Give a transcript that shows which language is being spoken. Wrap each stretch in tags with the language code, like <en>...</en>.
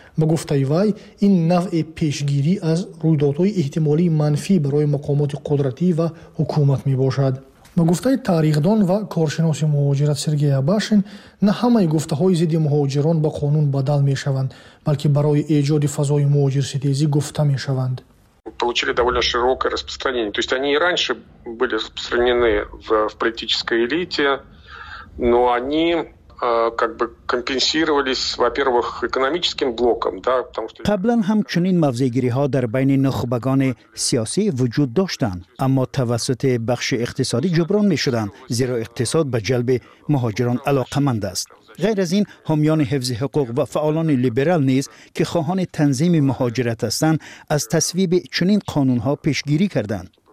<fa>به گفته وی این نوع پیشگیری از رویدادهای احتمالی منفی برای مقامات قدرتی و حکومت می‌باشد. با گفته تاریخ‌دان و کارشناس مهاجرت سرگئی آباشین، نه همه گفته‌های ضد مهاجران به قانون بدل می‌شوند، بلکه برای ایجاد فضای مهاجرستیزی گفته می‌شوند.</fa> <ru>получили довольно широкое распространение. То есть они и раньше были распространены в политической элите, но они как бы компенсировались, во-первых, экономическим блоком, да, потому что</ru> <fa>قبلاً همچنین موضع‌گیری‌ها در بین نخبگان سیاسی وجود داشتند، اما توسط بخش اقتصادی جبران می‌شدند، زیرا اقتصاد به جلب مهاجران علاقه‌مند است. غیر از این، حامیان حفظ حقوق و فعالان لیبرال نیز که خواهان تنظیم مهاجرت هستند، از تصویب چنین قانون‌ها پیشگیری کردند.</fa>